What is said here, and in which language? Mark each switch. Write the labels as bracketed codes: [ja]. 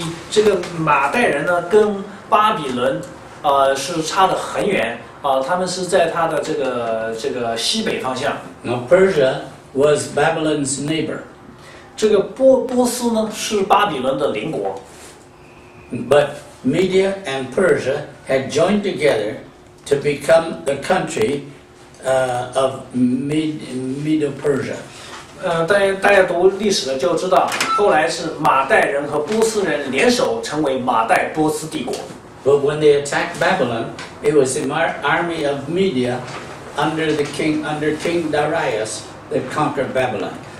[zh] 这个马代人呢，跟巴比伦是差得很远他们是在他的这个西北方向。 [en] Now Persia was Babylon's neighbor. [zh] 这个波斯呢是巴比伦的邻国。 [en] But Media and Persia had joined together to become the country of Medo-Persia. [zh] 大家读历史的就知道，后来是马代人和波斯人联手成为马代波斯帝国。 [en] But when they attacked Babylon, it was the army of Media under King Darius that conquered Babylon.